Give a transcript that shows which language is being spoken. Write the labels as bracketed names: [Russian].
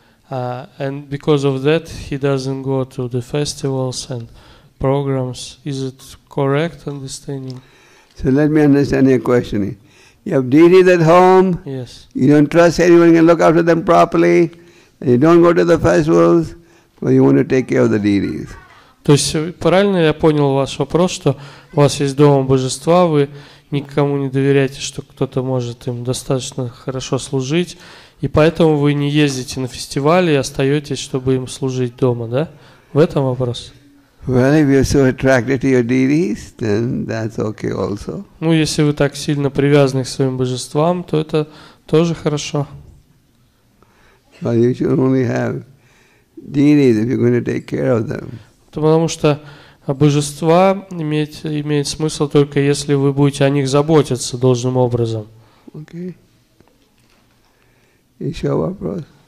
[English] And because of that, he doesn't go to the festivals and programs. Is it correct understanding? So let me understand your question. You have deities at home. Yes. You don't trust anyone can look after them properly. And you don't go to the festivals, but you want to take care of the deities. [Russian] То есть правильно я понял ваш вопрос, что у вас есть дома божества, вы никому не доверяете, что кто-то может им достаточно хорошо служить. И поэтому вы не ездите на фестивали и остаетесь, чтобы им служить дома, да? В этом вопрос. [English] Well, if you're so attracted to your deities, then that's okay also. [Russian] Ну, если вы так сильно привязаны к своим божествам, то это тоже хорошо. [English] But you should only have deities if you're going to take care of them. [Russian] Потому что божества имеет смысл только если вы будете о них заботиться должным образом. [English] Okay. [Russian] Еще вопрос?